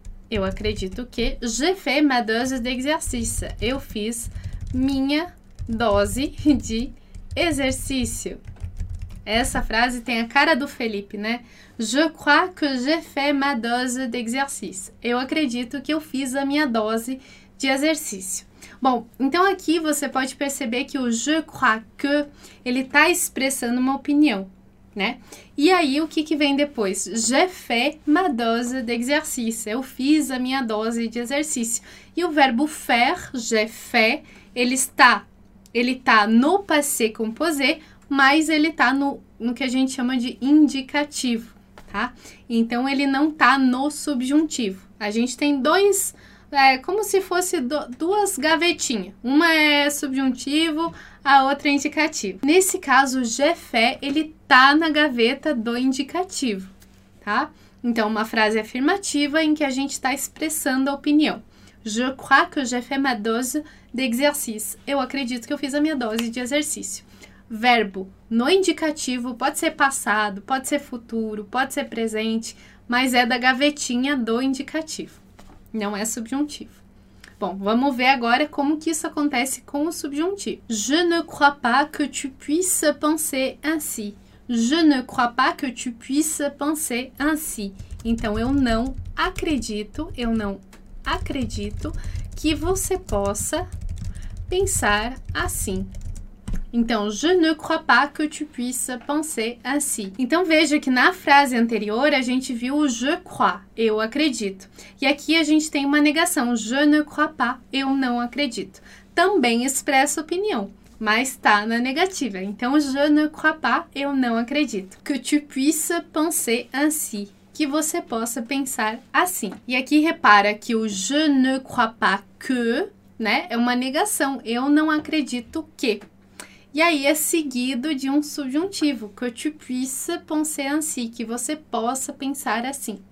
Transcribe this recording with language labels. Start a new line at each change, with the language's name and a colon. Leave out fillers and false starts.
Portuguese: Eu acredito que
French: j'ai fait ma dose d'exercice.
Portuguese: Eu fiz minha dose de exercício. Essa frase tem a cara do Felipe, né?
French: Je crois que j'ai fait ma dose d'exercice.
Portuguese: Eu acredito que eu fiz a minha dose de exercício. Bom, então aqui você pode perceber que o
French: je crois que
Portuguese: ele está expressando uma opinião, né? E aí o que que vem depois?
French: J'ai fait ma dose d'exercice.
Portuguese: Eu fiz a minha dose de exercício. E o verbo faire,
French: j'ai fait,
Portuguese: ele tá no passé composé, mas ele tá no que a gente chama de indicativo, tá? Então ele não tá no subjuntivo. A gente tem dois. É como se fosse duas gavetinhas. Uma é subjuntivo, a outra é indicativo. Nesse caso, o
French: j'ai fait,
Portuguese: ele tá na gaveta do indicativo, tá? Então, uma frase afirmativa em que a gente está expressando a opinião.
French: Je crois que j'ai fait ma dose d'exercice.
Portuguese: Eu acredito que eu fiz a minha dose de exercício. Verbo no indicativo pode ser passado, pode ser futuro, pode ser presente, mas é da gavetinha do indicativo, não é subjuntivo. Bom, vamos ver agora como que isso acontece com o subjuntivo.
French: Je ne crois pas que tu puisses penser ainsi. Je ne crois pas que tu puisses penser ainsi.
Portuguese: Então, eu não acredito que você possa pensar assim. Então,
French: je ne crois pas que tu puisses penser ainsi.
Portuguese: Então, veja que na frase anterior a gente viu o
French: je crois,
Portuguese: eu acredito. E aqui a gente tem uma negação,
French: je ne crois pas,
Portuguese: eu não acredito. Também expressa opinião, mas está na negativa. Então,
French: je ne crois pas,
Portuguese: eu não acredito.
French: Que tu puisses penser ainsi.
Portuguese: Que você possa pensar assim. E aqui repara que o
French: je ne crois pas que,
Portuguese: né, é uma negação, eu não acredito que. E aí é seguido de um subjuntivo,
French: que tu puisses penser ainsi,
Portuguese: que você possa pensar assim.